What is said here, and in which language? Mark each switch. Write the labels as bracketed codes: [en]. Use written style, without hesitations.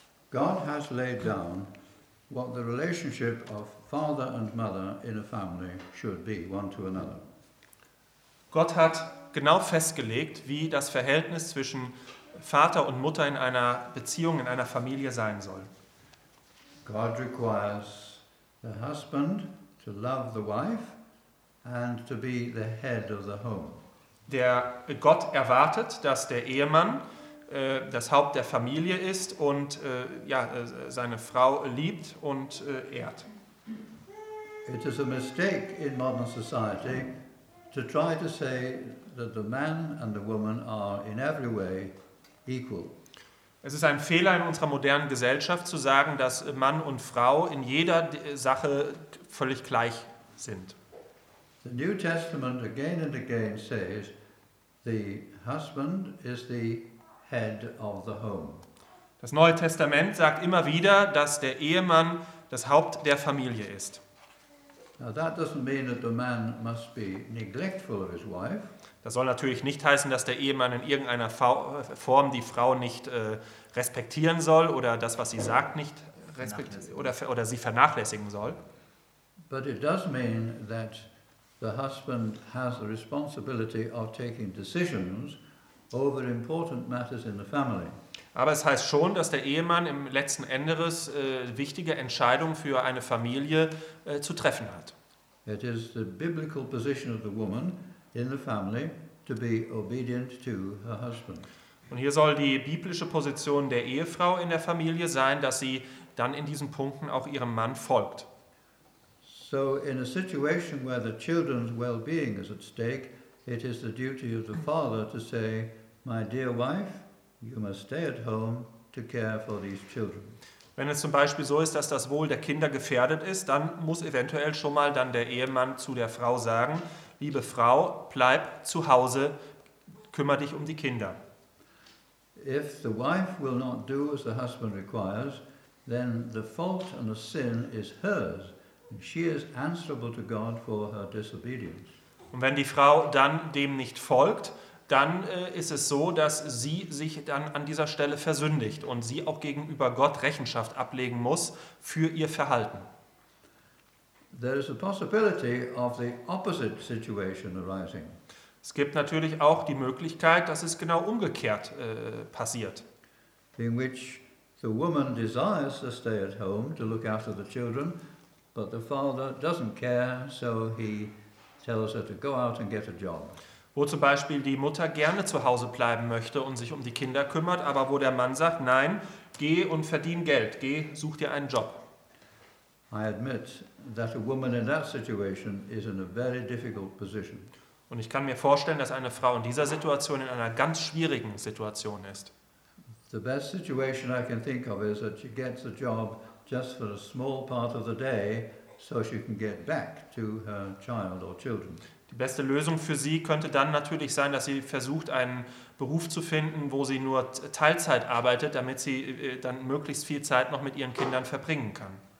[en] God has laid down what the relationship of father and mother in a family should be, one to another. [de] Gott hat genau festgelegt, wie das Verhältnis zwischen Vater und Mutter in einer Beziehung, in einer Familie sein soll. [en] God requires the husband to love the wife and to be the head of the home. [de] Der Gott erwartet, dass der Ehemann das Haupt der Familie ist und seine Frau liebt und ehrt. [en] It is a mistake in modern society to try to say that the man and the woman are in every way equal. [de] Es ist ein Fehler in unserer modernen Gesellschaft zu sagen, dass Mann und Frau in jeder Sache völlig gleich sind. [en] The New Testament again and again says the husband is the head of the home. [de] Das Neue Testament sagt immer wieder, dass der Ehemann das Haupt der Familie ist. [en] Now that doesn't mean that the man must be neglectful of his wife. [de] Das soll natürlich nicht heißen, dass der Ehemann in irgendeiner Form die Frau nicht respektieren soll oder das, was sie sagt, nicht respektieren oder sie vernachlässigen soll. [en] But it does mean that the husband has the responsibility of taking decisions over important matters in the family. [de] Aber es heißt schon, dass der Ehemann im letzten Endes wichtige Entscheidungen für eine Familie zu treffen hat. [en] It is the biblical position of the woman in the family to be obedient to her husband. [de] Und hier soll die biblische Position der Ehefrau in der Familie sein, dass sie dann in diesen Punkten auch ihrem Mann folgt. [en] So in a situation where the children's well-being is at stake, it is the duty of the father to say, my dear wife, you must stay at home to care for these children. [de] Wenn es zum Beispiel so ist, dass das Wohl der Kinder gefährdet ist, dann muss eventuell schon mal dann der Ehemann zu der Frau sagen, liebe Frau, bleib zu Hause, kümmere dich um die Kinder. [en] If the wife will not do as the husband requires, then the fault and the sin is hers, and she is answerable to God for her disobedience. [de] Und wenn die Frau dann dem nicht folgt, dann ist es so, dass sie sich dann an dieser Stelle versündigt und sie auch gegenüber Gott Rechenschaft ablegen muss für ihr Verhalten. [en] There is a possibility of the opposite situation arising. [de] Es gibt natürlich auch die Möglichkeit, dass es genau umgekehrt passiert. [en] In which the woman desires to stay at home to look after the children, but the father doesn't care, so he tells her to go out and get a job. [de] Wo zum Beispiel die Mutter gerne zu Hause bleiben möchte und sich um die Kinder kümmert, aber wo der Mann sagt, nein, geh und verdien Geld, geh, such dir einen Job. [en] I admit that a woman in that situation is in a very difficult position. [de] Und ich kann mir vorstellen, dass eine Frau in dieser Situation in einer ganz schwierigen Situation ist. [en] The best situation I can think of is that she gets a job just for a small part of the day, so she can get back to her child or children. [de] Die beste Lösung für sie könnte dann natürlich sein, dass sie versucht, einen Beruf zu finden, wo sie nur Teilzeit arbeitet, damit sie dann möglichst viel Zeit noch mit ihren Kindern verbringen kann.